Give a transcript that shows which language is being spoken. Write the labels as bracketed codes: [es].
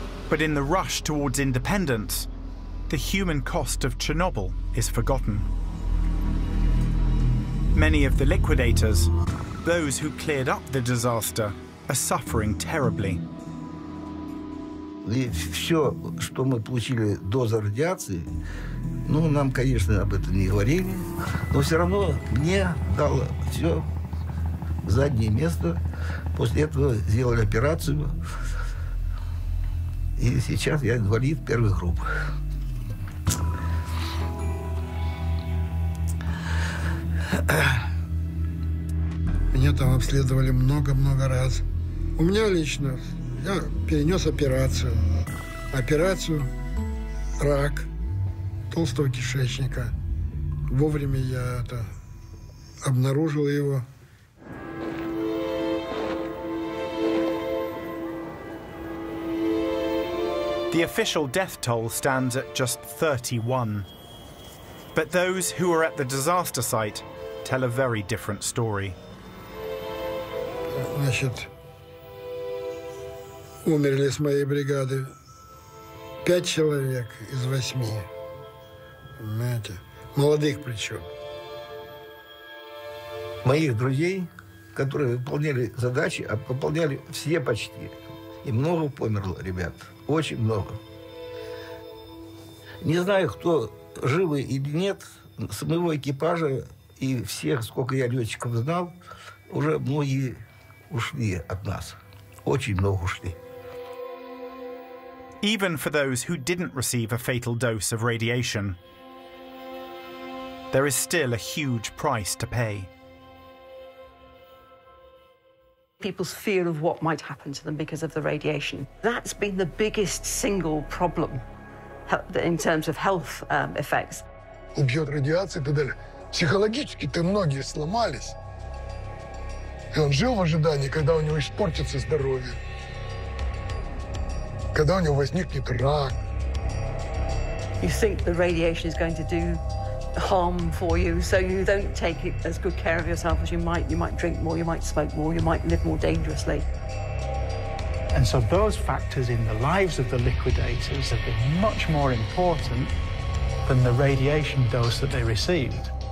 [en] But in the rush towards independence, the human cost of Chernobyl is forgotten. Many of the liquidators, those who cleared up the disaster, are suffering terribly. [ru] Все, что мы получили до радиации, ну, нам, конечно, об этом не говорили, но все равно мне дало все заднее место. После этого сделали операцию. И сейчас я инвалид первой группы. Меня там обследовали много-много раз. У меня лично, я перенес операцию. Операцию, рак толстого кишечника. Вовремя я это обнаружил его. [en] The official death toll stands at just 31. But those who were at the disaster site tell a very different story. [ru] Значит, умерли с моей бригады 5 человек из 8. Понимаете? Молодых причем. Моих друзей, которые выполняли задачи, а выполняли все почти. И много померло, ребят. Очень много. Не знаю, кто живы или нет. С моего экипажа и всех, сколько я летчиков знал, уже многие ушли от нас. Очень много ушли. [en] Even for those who didn't receive a fatal dose of radiation, there is still a huge price to pay. People's fear of what might happen to them because of the radiation. That's been the biggest single problem in terms of health effects. [ru] Убьет радиация и так далее. Психологически-то многие сломались. И он жил в ожидании, когда у него испортится здоровье. Когда у него возникнет рак. [en] You think the radiation is going to do harm for you, so you don't take it as good care of yourself as you might. You might drink more, you might smoke more, you might live more dangerously. And so those factors in the lives of the liquidators have been much more important than the radiation dose that they received.